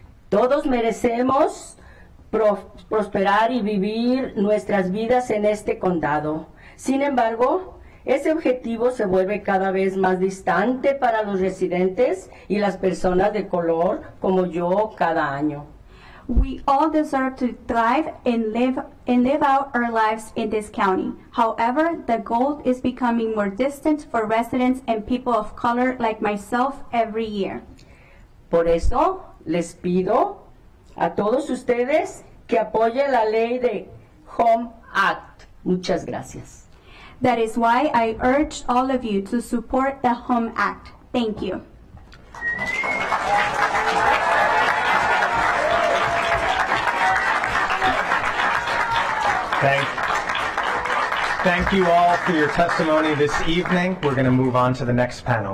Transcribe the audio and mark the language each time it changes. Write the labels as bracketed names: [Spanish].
[Spanish] Todos merecemos prosperar y vivir nuestras vidas en este condado. Sin embargo, ese objetivo se vuelve cada vez más distante para los residentes y las personas de color como yo cada año. [English] We all deserve to thrive and live out our lives in this county. However, the goal is becoming more distant for residents and people of color like myself every year. [Spanish] Por eso, les pido a todos ustedes que apoyen la ley de Home Act. Muchas gracias. [English] That is why I urge all of you to support the Home Act. Thank you. Thank you all for your testimony this evening. We're going to move on to the next panel.